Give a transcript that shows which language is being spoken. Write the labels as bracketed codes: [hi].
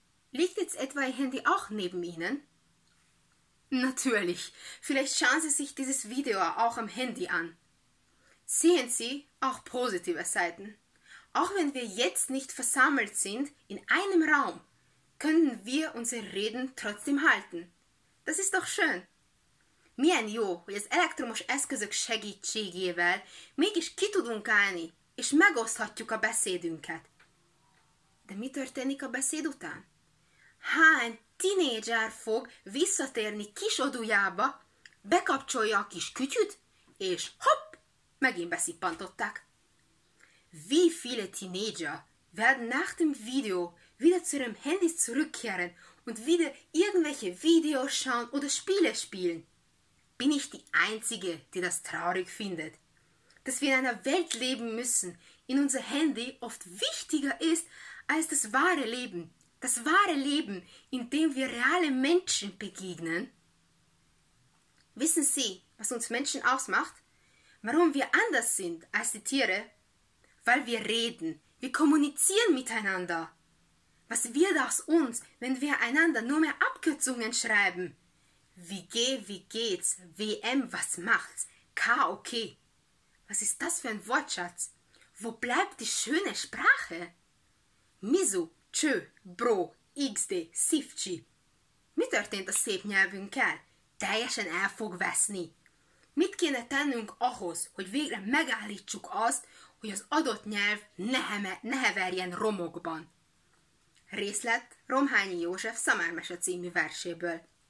[de] Liegt jetzt etwa Ihr Handy auch neben Ihnen? Natürlich, vielleicht schauen Sie sich dieses Video auch am Handy an. Sehen Sie auch positive Seiten. Auch wenn wir jetzt nicht versammelt sind in einem Raum, können wir unsere Reden trotzdem halten. Das ist doch schön. [hu] Milyen jó, hogy az elektromos eszközök segítségével mégis ki tudunk állni, és megoszthatjuk a beszédünket. De mi történik a beszéd után? Hány tinédzser fog visszatérni kis odujába, bekapcsolja a kis kütyüt, és hopp, megint beszippantották. [de] Wie viele Teenager werden nach dem Video wieder zu ihrem Handy zurückkehren und wieder irgendwelche Videos schauen oder Spiele spielen. Bin ich die Einzige, die das traurig findet? Dass wir in einer Welt leben müssen, in unser Handy oft wichtiger ist als das wahre Leben. Das wahre Leben, in dem wir reale Menschen begegnen. Wissen Sie, was uns Menschen ausmacht? Warum wir anders sind als die Tiere? Weil wir reden, wir kommunizieren miteinander. Was wird aus uns, wenn wir einander nur mehr Abkürzungen schreiben? WG, wie geht's? WM, was macht's? KOK. Was ist das für ein Wortschatz? Wo bleibt die schöne Sprache? Misu, tschö, bro, xd, sifci. [hu] Mit történt a szép nyelvünkkel? Teljesen el fog veszni. Mit kéne tennünk ahhoz, hogy végre megállítsuk azt, hogy az adott nyelv ne heverjen romokban? Részlet Romhányi József Szamármese című verséből.